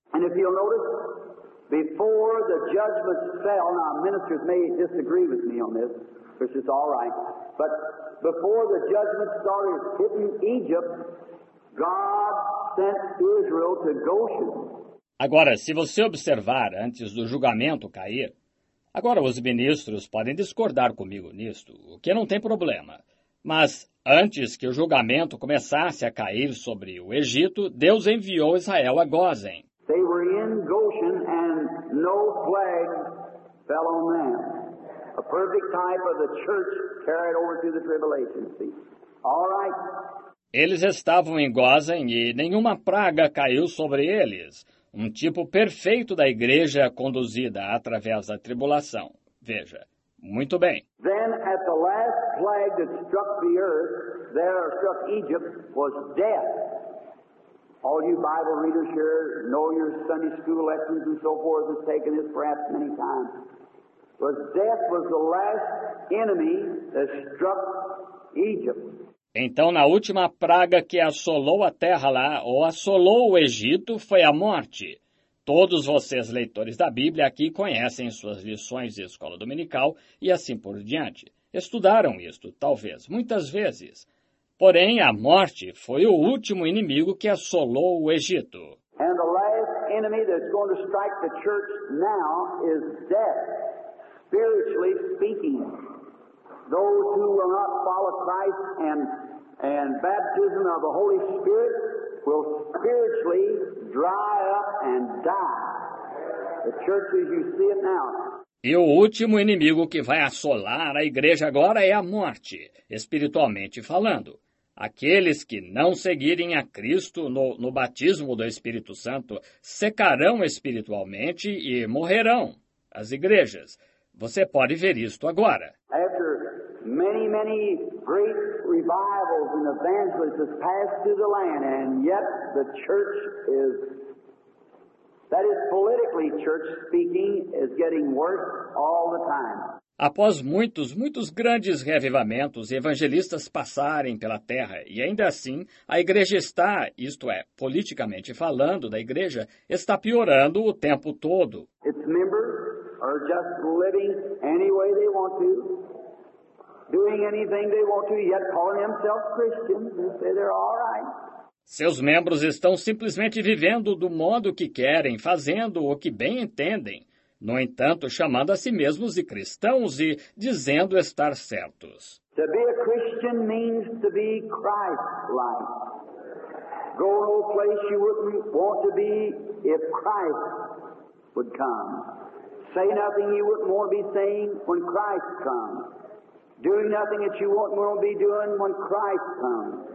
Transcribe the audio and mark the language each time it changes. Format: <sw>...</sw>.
<en>And if you'll notice, before the judgments fell, now ministers may disagree with me on this, which is all right, but before the judgments started hitting Egypt, God sent Israel to Goshen.</en> <pt>Agora, se você observar antes do julgamento cair, agora os ministros podem discordar comigo nisto, o que não tem problema. Mas antes que o julgamento começasse a cair sobre o Egito, Deus enviou Israel a Gósen.</pt> <en>They were in Goshen and no plague fell on them. A perfect type of the church carried over through the tribulation. See? All right.</en> <pt>Eles estavam em Gósen e nenhuma praga caiu sobre eles. Um tipo perfeito da igreja conduzida através da tribulação. Veja, muito bem.</pt> <en>Then at the last plague that struck the earth, there struck Egypt, was death. All you Bible readers here know your Sunday school lessons and so forth has taken this perhaps many times. was death was the last enemy that struck Egypt.</en> <pt>Então, na última praga que assolou a terra lá, ou assolou o Egito, foi a morte. Todos vocês, leitores da Bíblia, aqui conhecem suas lições de escola dominical e assim por diante. Estudaram isto, talvez, muitas vezes. Porém, a morte foi o último inimigo que assolou o Egito.</pt> <en>And the last enemy that's going to strike the church now is death, spiritually speaking. Those who will not follow Christ and baptism of the Holy Spirit will spiritually dry up and die. The church as you see it now.</en> <pt>E o último inimigo que vai assolar a igreja agora é a morte, espiritualmente falando. Aqueles que não seguirem a Cristo no batismo do Espírito Santo secarão espiritualmente e morrerão. As igrejas. Você pode ver isto agora.</pt> <en>After many, many great revivals and evangelists passed through the land, and yet the church is, that is politically church speaking, is getting worse all the time.</en> <pt>Após muitos, muitos grandes revivamentos e evangelistas passarem pela terra, e ainda assim, a igreja está, isto é, politicamente falando da igreja, está piorando o tempo todo.</pt> <en>Its members are just living any way they want to, doing anything they want to, yet calling themselves Christians and say they're all right.</en> <pt>Seus membros estão simplesmente vivendo do modo que querem, fazendo o que bem entendem. No entanto, chamando a si mesmos de cristãos e dizendo estar certos.</pt> <en>To be a Christian means to be Christ-like. Go no place you wouldn't want to be if Christ would come. Say nothing you wouldn't want to be saying when Christ comes. Doing nothing that you wouldn't want to be doing when Christ comes.</en>